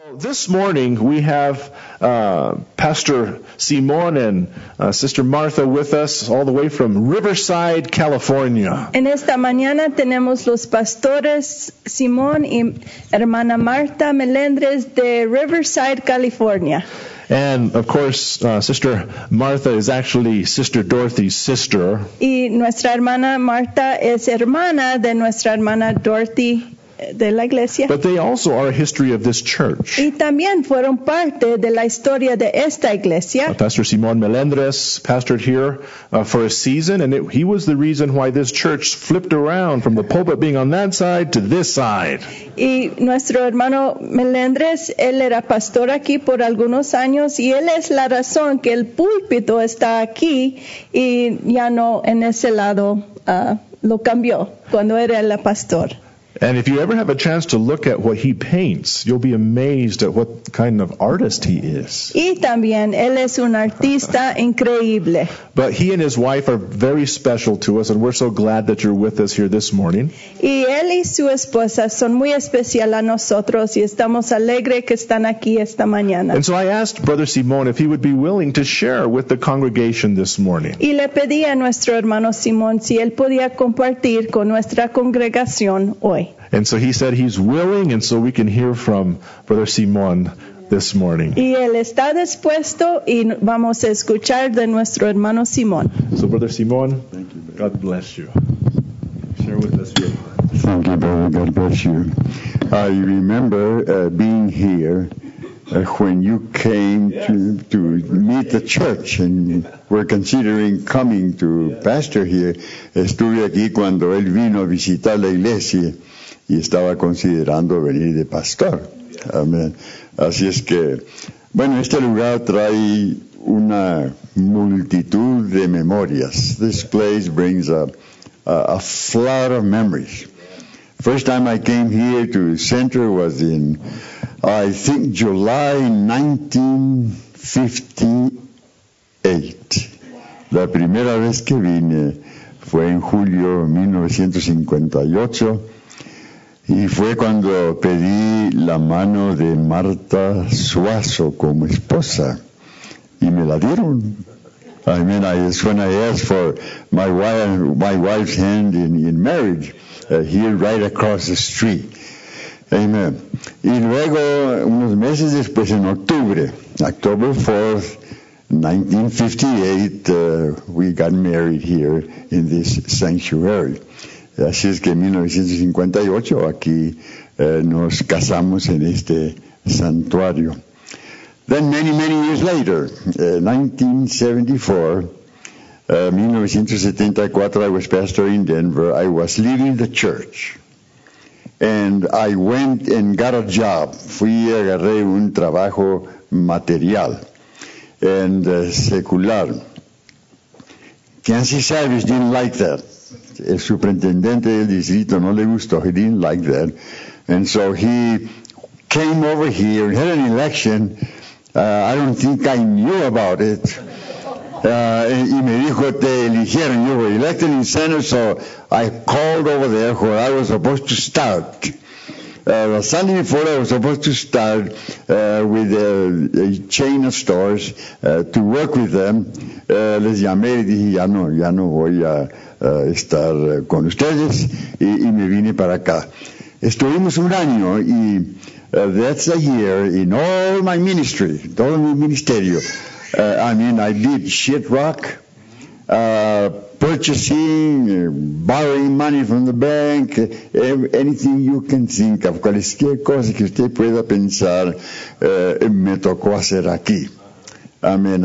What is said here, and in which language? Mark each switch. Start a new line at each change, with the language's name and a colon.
English: This morning we have Pastor Simon and Sister Martha with us all the way from Riverside, California.
Spanish: En esta mañana tenemos los pastores Simon y hermana Martha Melendres de Riverside, California.
English: And of course, Sister Martha is actually Sister Dorothy's sister.
Spanish: Y nuestra hermana Martha es hermana de nuestra hermana Dorothy. De la iglesia.
English: But they also are a history of this church.
Spanish: Y también fueron parte de la historia de esta iglesia.
English: Pastor Simon Melendres pastored here for a season, and he was the reason why this church flipped around from the pulpit being on that side to this side.
Spanish: Y nuestro hermano Melendres, él era pastor aquí por algunos años, y él es la razón que el púlpito está aquí y ya no en ese lado lo cambió cuando era el pastor.
English: And if you ever have a chance to look at what he paints, you'll be amazed at what kind of artist he is.
Spanish: Y también, él es un artista increíble.
English: But he and his wife are very special to us, and we're so glad that you're with us here this morning.
Spanish: Y él y su esposa son muy especial a nosotros, y estamos alegre que están aquí esta mañana.
English: And so I asked Brother Simon if he would be willing to share with the congregation this morning.
Spanish: Y le pedí a nuestro hermano Simon si él podía compartir con nuestra congregación hoy.
English: And so he said he's willing, and so we can hear from Brother Simon this morning.
Spanish: Y él está dispuesto, y vamos a escuchar de nuestro hermano Simon.
English: So Brother Simon, thank you, God bless you. Share with us your heart. Thank you, brother. God bless you. I remember being here when you came to meet the church, and we're considering coming to pastor here.
Spanish: Estuve aquí cuando él vino a visitar la iglesia. Y estaba considerando venir de pastor. Amén. Así es que, bueno, este lugar trae una multitud de memorias.
English: This place brings a flood of memories. First time I came here to the center was in, I think, July 1958.
Spanish: La primera vez que vine fue en julio 1958. Y fue cuando pedí la mano de Martha Suazo como esposa. Y me la dieron.
English: I mean, it's when I asked for my wife's hand in marriage, here right across the street. Amen.
Spanish: Y luego, unos meses después, en octubre,
English: October 4th, 1958, we got married here in this sanctuary.
Spanish: Así es que en 1958 aquí nos casamos en este santuario.
English: Then many, many years later, 1974, I was pastor in Denver. I was leaving the church. And I went and got a job.
Spanish: Fui y agarré un trabajo material
English: and secular. Kansas Service didn't like that.
Spanish: El superintendente del distrito no le gustó.
English: He didn't like that. And so he came over here and had an election. I don't think I knew about it.
Spanish: Y me dijo, te eligieron.
English: You were elected in center, so I called over there where I was supposed to start. The Sunday before, I was supposed to start with a chain of stores to work with them.
Spanish: Les llamé y dije, ya no voy a estar con ustedes, y me vine para acá. Estuvimos un año, y
English: that's a year in all my ministry,
Spanish: todo mi ministerio.
English: I did shit rock, purchasing, borrowing money from the bank, anything you can think of,
Spanish: cualquier cosa que usted pueda pensar, me tocó hacer aquí.
English: Amén.